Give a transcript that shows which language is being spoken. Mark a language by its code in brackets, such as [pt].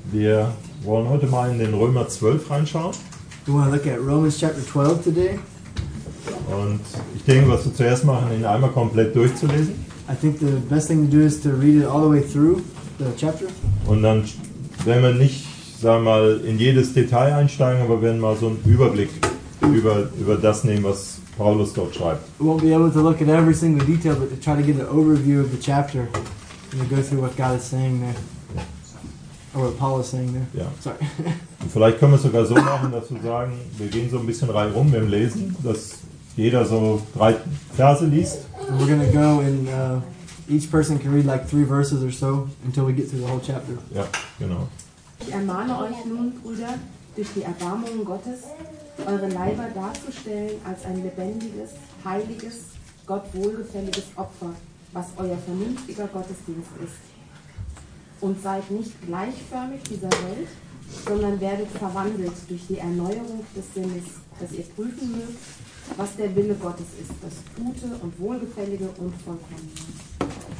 [de] Wir wollen heute mal in den Römer 12 reinschauen. [en] We want to look at Romans chapter 12 today. [de] Und ich denke, was wir zuerst machen, ihn einmal komplett durchzulesen. [en] I think the best thing to do is to read it all the way through the chapter. [de] Und dann werden wir nicht, sagen wir mal, in jedes Detail einsteigen, aber werden mal so einen Überblick über das nehmen, was Paulus dort schreibt. [en] We won't be able to look at every single detail, but to try to get an overview of the chapter and to go through what God is saying there. Or what Paul is saying there. Yeah. Sorry. [de] Und vielleicht können wir es sogar so machen, dass wir sagen, wir gehen so ein bisschen reihum im Lesen, dass jeder so drei Verse liest. [en] And we're going to go and each person can read like three verses or so until we get through the whole chapter. [de] Yeah, genau. Ich ermahne euch nun, Brüder, durch die Erbarmungen Gottes, eure Leiber darzustellen als ein lebendiges, heiliges, Gott wohlgefälliges Opfer, was euer vernünftiger Gottesdienst ist. Und seid nicht gleichförmig dieser Welt, sondern werdet verwandelt durch die Erneuerung des Sinnes, dass ihr prüfen mögt, was der Wille Gottes ist, das Gute und Wohlgefällige und Vollkommene.